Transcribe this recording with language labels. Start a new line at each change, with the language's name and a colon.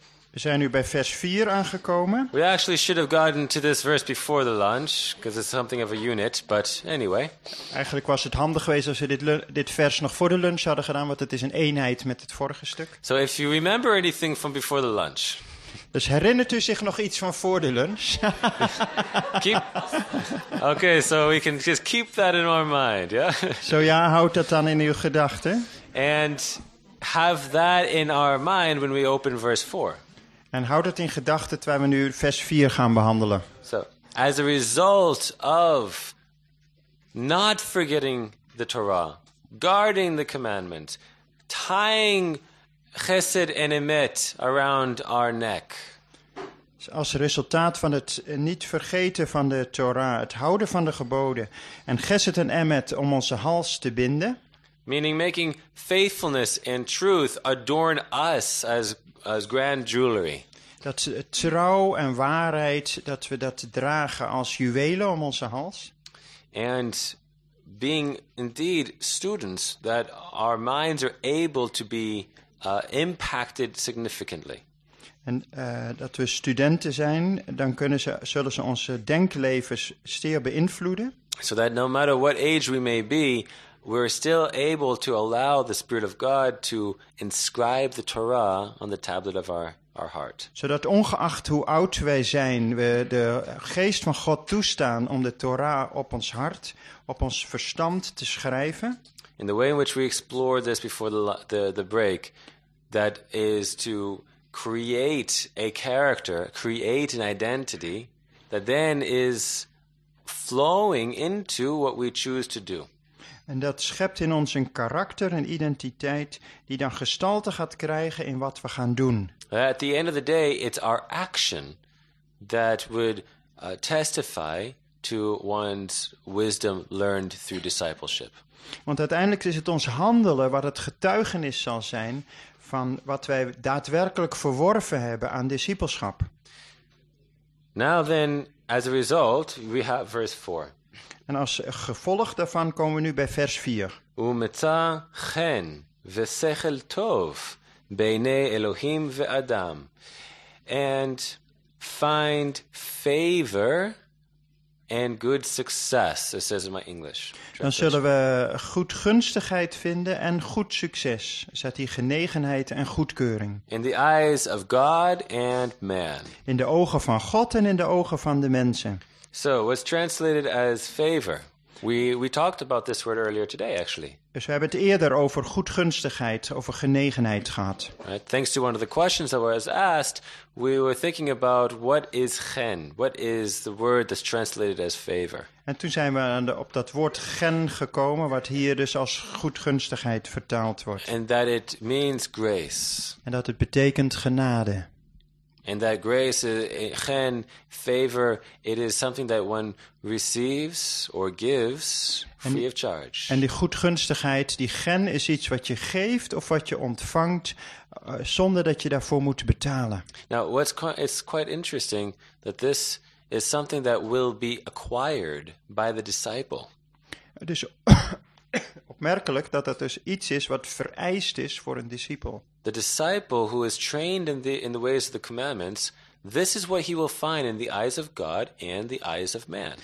Dutch: We zijn nu bij vers 4 aangekomen.
English: We actually should have gotten to this verse before the lunch, because it's something of a unit, but anyway.
Dutch: Eigenlijk was het handig geweest als we dit vers nog voor de lunch hadden gedaan, want het is een eenheid met het vorige stuk.
English: So if you remember anything from before the lunch.
Dutch: Dus herinnert u zich nog iets van voor de lunch?
English: Okay, so we can just keep that in our mind, yeah?
Dutch: Zo ja, houd dat dan in uw gedachten.
English: And have that in our mind when we open verse 4.
Dutch: En houd dat in gedachten terwijl we nu vers 4 gaan behandelen.
English: So, as a result of not forgetting the Torah, guarding the commandments, tying chesed en emet around our neck.
Dutch: Als resultaat van het niet vergeten van de Torah, het houden van de geboden en chesed en emet om onze hals te binden.
English: Meaning making faithfulness and truth adorn us as grand jewelry.
Dutch: Dat trouw en waarheid, dat we dat dragen als juwelen om onze hals.
English: And being indeed students, that our minds are able to be impacted significantly.
Dutch: En dat we studenten zijn, dan zullen ze onze denklevens zeer beïnvloeden.
English: So that no matter what age we may be, we're still able to allow the Spirit of God to inscribe the Torah on the tablet of our heart.
Dutch: Zodat ongeacht hoe oud wij zijn, we de geest van God toestaan om de Torah op ons hart, op ons verstand te schrijven.
English: In the way in which we explore this before the break, that is to create a character, create an identity that then is flowing into what we choose to do.
Dutch: En dat schept in ons een karakter, een identiteit die dan gestalte gaat krijgen in wat we gaan doen.
English: At the end of the day, it's our action that would testify to one's wisdom learned through discipleship.
Dutch: Want uiteindelijk is het ons handelen wat het getuigenis zal zijn van wat wij daadwerkelijk verworven hebben aan discipelschap.
English: Now then, as a result, we have verse 4.
Dutch: En als gevolg daarvan komen we nu bij vers 4.
Hebrew: Umetza chen vesechel tov beine Elohim ve'adam.
English: And find favor and good success, it says in my English.
Dutch: Dan zullen we goedgunstigheid vinden en goed succes. Zet hier genegenheid en goedkeuring.
English: In the eyes of God and man.
Dutch: In de ogen van God en in de ogen van de mensen.
English: So it was translated as favor. We talked about this word earlier today, actually.
Dutch: Dus we hebben het eerder over goedgunstigheid, over genegenheid gehad.
English: Right. Thanks to one of the questions that was asked, we were thinking about what is gen? What is the word that's translated as favor?
Dutch: En toen zijn we op dat woord gen gekomen, wat hier dus als goedgunstigheid vertaald wordt.
English: And that it means grace.
Dutch: En dat het betekent genade.
English: And that grace, gen, favor, it is something that one receives or gives free of charge.
Dutch: En die goedgunstigheid, die gen, is iets wat je geeft of wat je ontvangt, zonder dat je daarvoor moet betalen.
English: Now, it's quite interesting that this is something that will be acquired by the disciple.
Dutch: Het is opmerkelijk dat dat dus iets is wat vereist is voor een discipel.
English: The disciple who is trained in the ways of the commandments, this is what he will find in the eyes of God and the eyes of man.